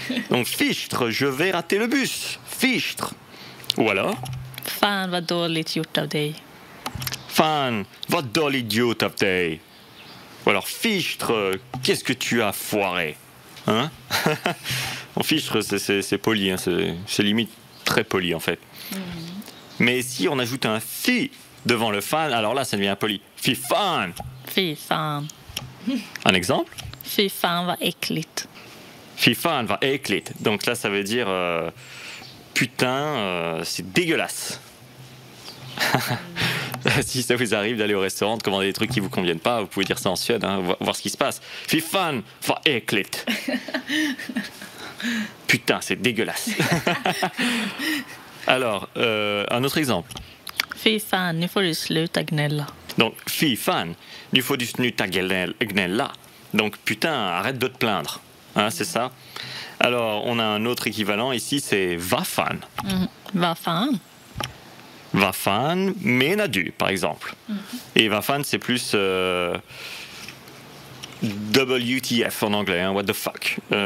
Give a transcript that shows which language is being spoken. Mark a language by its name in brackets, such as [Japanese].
[French] Donc fichtre, je vais rater le bus. Fichtre. Ou alors? [Swedish] Fan, vad dåligt gjort av dig. Fan, vad dåligt gjort av dig. [French] Ou alors, fichtre, qu'est-ce que tu as foiré? Hein? Bon, fichtre, c'est poli, hein, c'est limite très poli en fait. Mais si on ajoute un fi devant le fan, alors là ça devient poli. Fi fan. Un exemple? [Swedish] Fi fan va éclit. [French] Donc là ça veut dire putain, c'est dégueulasse. Si ça vous arrive d'aller au restaurant, de commander des trucs qui vous conviennent pas, vous pouvez dire ça en Suède, hein, voir ce qui se passe. [Swedish] Fy fan, va äckligt. [French] Putain, c'est dégueulasse. Alors, un autre exemple. [Swedish] Fy fan, nu får du sluta gnälla. Donc, fy fan, nu får du sluta gnälla. [French] Donc, putain, arrête de te plaindre. Hein, c'est ça. Alors, on a un autre équivalent ici, c'est va fan. [Swedish] Vafan menadu, [French] par exemple. Mm-hmm. Et vafan, c'est plus WTF en anglais, hein, [English] what the fuck.